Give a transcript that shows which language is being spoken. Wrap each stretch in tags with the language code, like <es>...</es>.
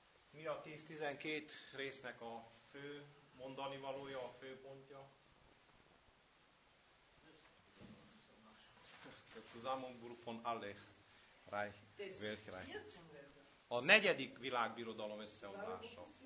<hu>Mi a 10-12 résznek a fő mondanivalója, a fő pontja?</hu> <de>Zusammenbruch von alle Reichsreich.</de> <hu>A negyedik világbirodalom összeomlása.</hu>